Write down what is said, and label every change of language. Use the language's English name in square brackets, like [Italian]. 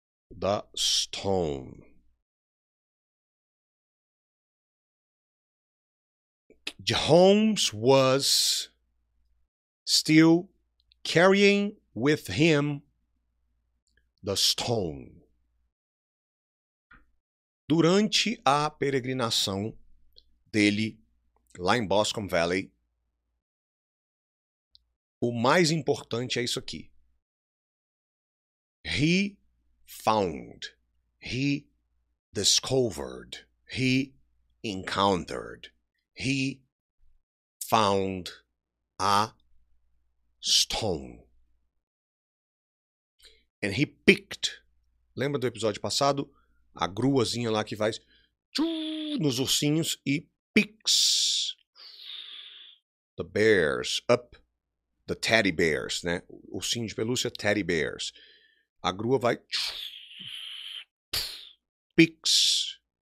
[English] The stone. Holmes was still carrying with him the stone. [Portuguese] Durante a peregrinação dele lá em Boscombe Valley, o mais importante é isso aqui. [English] He found, he discovered, he encountered, he found a stone. And he picked. [Portuguese] Lembra do episódio passado? A gruazinha lá que vai nos ursinhos e [English] picks the bears up, the teddy bears, [Portuguese] né? Ursinho de pelúcia, teddy bears. A grua vai picks.